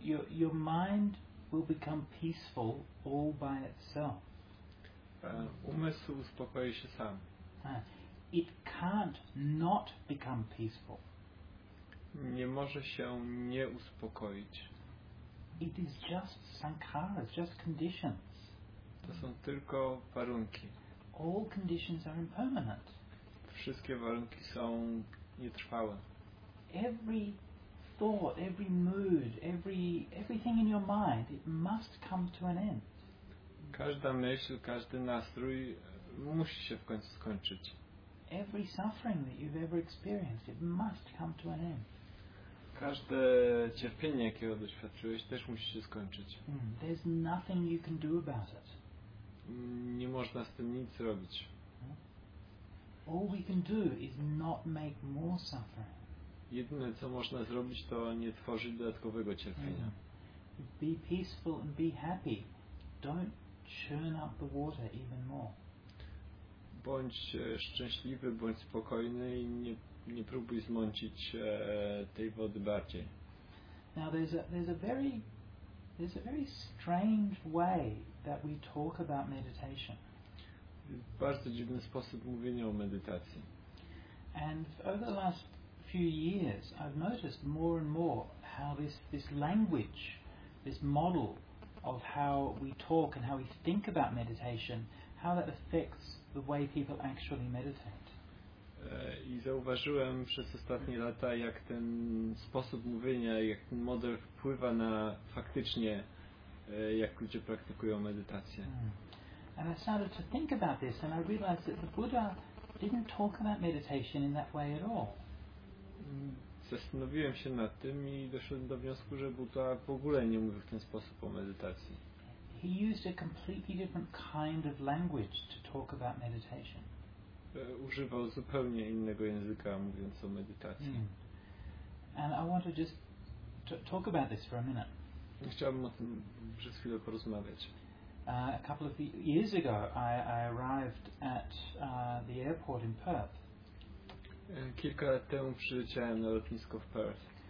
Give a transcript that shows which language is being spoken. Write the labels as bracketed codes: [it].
[en] Your mind will become peaceful all by itself. [pl] Umysł uspokoi się sam. [en] It can't not become peaceful. [pl] Nie może się nie uspokoić. [en] It is just sankhara, just conditions. [pl] To są tylko warunki. [en] All conditions are impermanent. [pl] Wszystkie warunki są nietrwałe. [en] Every thought, every mood, everything in your mind, it must come to an end. [pl] Każda myśl, każdy nastrój musi się w końcu skończyć. [en] Every suffering that you've ever experienced, it must come to an end. [pl] Każde cierpienie, jakiego doświadczyłeś, też musi się skończyć. [en] There's nothing you can do about it. [pl] Nie można z tym nic zrobić. [en] All we can do is not make more suffering. [pl] Jedyne, co można zrobić, to nie tworzyć dodatkowego cierpienia. [en] Be peaceful and be happy. Don't churn up the water even more. [pl] Bądź szczęśliwy, bądź spokojny i nie próbuj zmącić tej wody bardziej. [en] Now there's a very strange way that we talk about meditation. [pl] Bardzo dziwny sposób mówienia o medytacji. [en] And over the last few years, I've noticed more and more how this language, this model of how we talk and how we think about meditation, how that affects the way people actually meditate. [pl] I zauważyłem przez ostatnie lata, jak ten sposób mówienia, jak ten model wpływa na faktycznie, jak ludzie praktykują medytację. [en] And I started to think about this and I realized that the Buddha didn't talk about meditation in that way at all. [pl] Zastanowiłem się nad tym i doszedłem do wniosku, że Buddha w ogóle nie mówił w ten sposób o medytacji. [en] He used a completely different kind of language to talk about meditation. [pl] Używał zupełnie innego języka, mówiąc o medytacji. [en] And I want to just talk about this for a minute. [pl] Chciałbym o tym przez chwilę porozmawiać. [en] A couple of years ago I arrived at the airport in Perth. [pl] Kilka lat temu przyleciałem na lotnisko w Perth.